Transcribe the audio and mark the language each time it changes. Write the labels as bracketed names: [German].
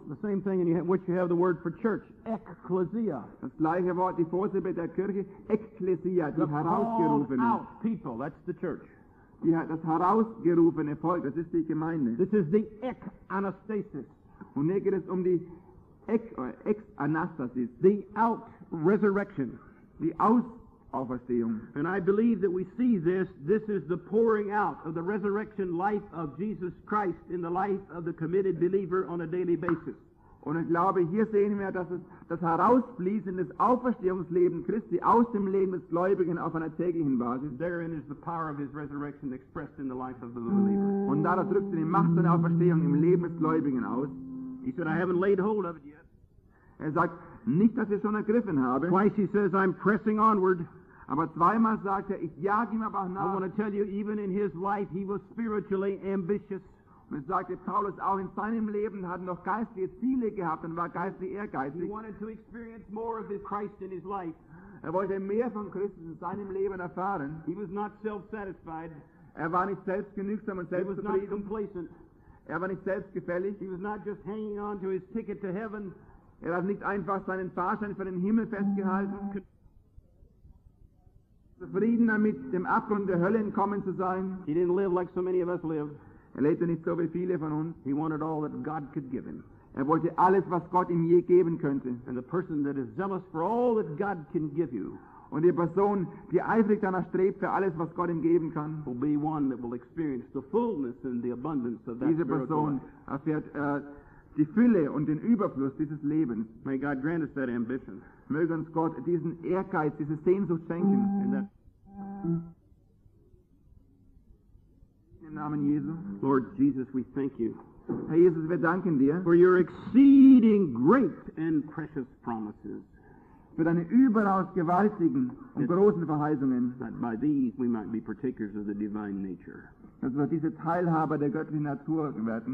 [English] The same thing in which you have the word for church, ekklesia. [German] Das gleiche Wort, die Vorsilbe der Kirche, ekklesia, die herausgerufene. [English] The called out people, that's the church. [German] Das herausgerufene Volk, das ist die Gemeinde. [English] This is the ek anastasis. [German] Und hier geht es um die ex anastasis. [English] The out resurrection. [German] Die Ausauferstehung. [English] And I believe that we see this. This is the pouring out of the resurrection life of Jesus Christ in the life of the committed believer on a daily basis. [German] Und ich glaube, hier sehen wir, dass es das Herausfließen des Auferstehungslebens Christi aus dem Leben des Gläubigen auf einer täglichen Basis. [English] Therein is the power of his resurrection expressed in the life of the believer. [German] Und dadurch drückt die Macht seiner Auferstehung im Leben des Gläubigen aus. [English] He said, I haven't laid hold of it yet. [German] Er sagt, nicht, dass ich es schon ergriffen habe. [English] Twice he says, I'm pressing onward. [German] Aber zweimal sagt er, ich jage ihm aber nach. [English] I want to tell you, even in his life, he was spiritually ambitious. [German] Und er sagte, Paulus auch in seinem Leben hat noch geistliche Ziele gehabt und war geistlich ehrgeizig. [English] He wanted to experience more of his Christ in his life. [German] Er wollte mehr von Christus in seinem Leben erfahren. [English] He was not self-satisfied. [German] Er war nicht selbstgenügsam und selbstzufrieden. [English] He was not complacent. [German] Er war nicht selbstgefällig. [English] He was not just hanging on to his ticket to heaven. [German] Er hat nicht einfach seinen Fahrschein für den Himmel festgehalten. Zufrieden damit, dem Abgrund der Hölle entkommen zu sein. [English] He didn't live like so many of us live. [German] Er lebte nicht so wie viele von uns. [English] He wanted all that God could give him. [German] Er wollte alles, was Gott ihm je geben könnte. [English] And the person that is zealous for all that God can give you. [German] Und die Person, die eifrig danach strebt für alles, was Gott ihm geben kann, [English] will be one that will experience the fullness and the abundance of that. [German] Diese Person erfährt die Fülle und den Überfluss dieses Lebens. [English] May God grant us that ambition. [German] Möge uns Gott diesen Ehrgeiz, diese Sehnsucht schenken. [English] In that. [German] Namen Jesu. [English] Lord Jesus, we thank you. [German] Herr Jesus, wir danken dir. [English] For your exceeding great and precious promises. [German] Für deine überaus gewaltigen und großen Verheißungen. [English] That by these we might be partakers of the divine nature. [German] Dass wir diese Teilhaber der göttlichen Natur werden.